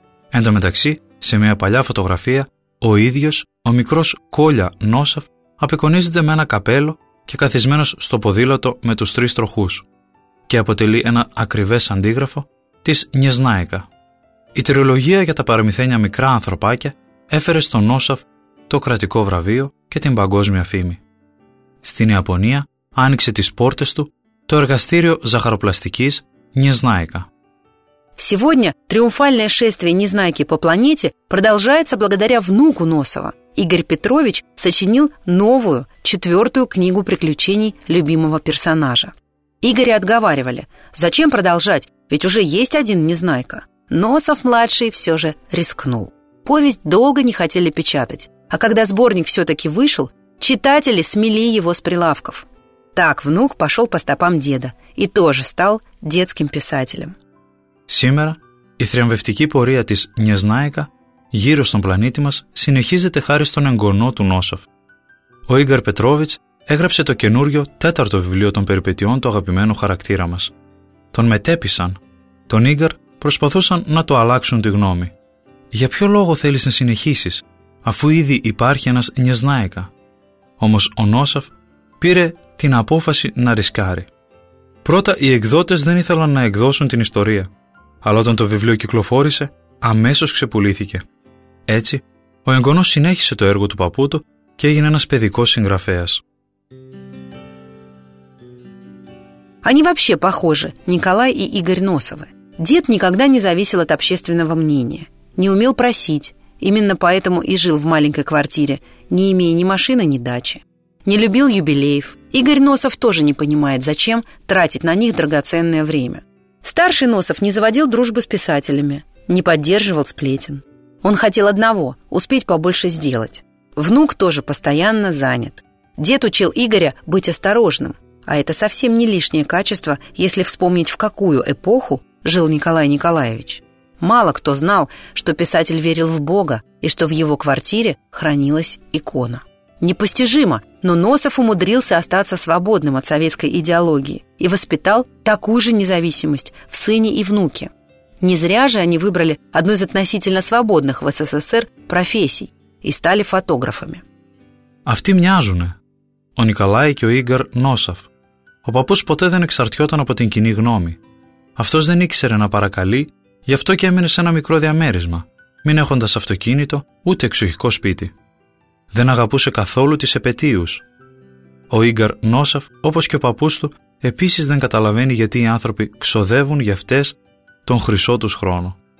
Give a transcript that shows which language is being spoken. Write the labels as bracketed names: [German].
[Greek] Εν τω μεταξύ, σε μια παλιά φωτογραφία, ο ίδιος, ο μικρός Κόλια Νόσαφ, απεικονίζεται με ένα καπέλο και καθισμένος στο ποδήλατο με τους τρεις τροχούς και αποτελεί ένα ακριβές αντίγραφο της Νιεζνάικα. Η τριλογία για τα παραμυθένια μικρά ανθρωπάκια έφερε στον Νόσαφ το κρατικό βραβείο και την παγκόσμια φήμη. Στην Ιαπωνία άνοιξε τις πόρτες του το εργαστήριο ζαχαροπλαστικής Νιεζνάικα. [Russian] Сегодня триумфальное шествие Незнайки по планете продолжается благодаря внуку Носова. Игорь Петрович сочинил новую, четвертую книгу приключений любимого персонажа. Игоря отговаривали, зачем продолжать, ведь уже есть один Незнайка. Носов-младший все же рискнул. Повесть долго не хотели печатать, а когда сборник все-таки вышел, читатели смели его с прилавков. Так внук пошел по стопам деда и тоже стал детским писателем. Σήμερα, η θριαμβευτική πορεία της Νιεζνάικα γύρω στον πλανήτη μας συνεχίζεται χάρη στον εγγονό του Νόσαφ. Ο Ίγκαρ Πετρόβιτς έγραψε το καινούριο τέταρτο βιβλίο των περιπετειών του αγαπημένου χαρακτήρα μας. Τον μετέπισαν. Τον Ίγκαρ προσπαθούσαν να το αλλάξουν τη γνώμη. Για ποιο λόγο θέλεις να συνεχίσεις, αφού ήδη υπάρχει ένας Νιεζνάικα? Όμως ο Νόσαφ πήρε την απόφαση να ρισκάρει. Πρώτα οι εκδότες δεν ήθελαν να εκδώσουν την ιστορία. Αλλά όταν το βιβλίο κυκλοφόρησε, αμέσως ξεπουλήθηκε. Έτσι, ο εγγονός συνέχισε το έργο του παππού του και έγινε ένας παιδικός συγγραφέας. Они вообще похожи, Николай и Игорь Носовы. Дед никогда не зависел от общественного мнения, не умел просить. Именно поэтому и жил в маленькой квартире, не имея ни машины, ни дачи. Не любил юбилеев. Игорь Носов тоже не понимает, зачем тратить на них драгоценное время. Старший Носов не заводил дружбы с писателями, не поддерживал сплетен. Он хотел одного – успеть побольше сделать. Внук тоже постоянно занят. Дед учил Игоря быть осторожным. А это совсем не лишнее качество, если вспомнить, в какую эпоху жил Николай Николаевич. Мало кто знал, что писатель верил в Бога и что в его квартире хранилась икона. Непостижимо, но Носов умудрился остаться свободным от советской идеологии и воспитал такую же независимость в сыне и внуке. Не зря же они выбрали одну из относительно свободных в СССР профессий и стали фотографами. [Greek] Αυτοί мяжуν, ο Николай και ο Игорь Носов. Ο παππούς ποτέ δεν εξαρτιόταν από την κοινή γνώμη. Αυτός δεν ήξερε να παρακαλεί, γι' αυτό και έμεινε σε ένα μικρό διαμέρισμα, μην έχοντας αυτοκίνητο ούτε εξοχικό σπίτι. Δεν αγαπούσε καθόλου τις επετείους. Ο Ίγκαρ Νόσαφ, όπως και ο παππούς του, επίσης δεν καταλαβαίνει γιατί οι άνθρωποι ξοδεύουν για αυτές τον χρυσό τους χρόνο.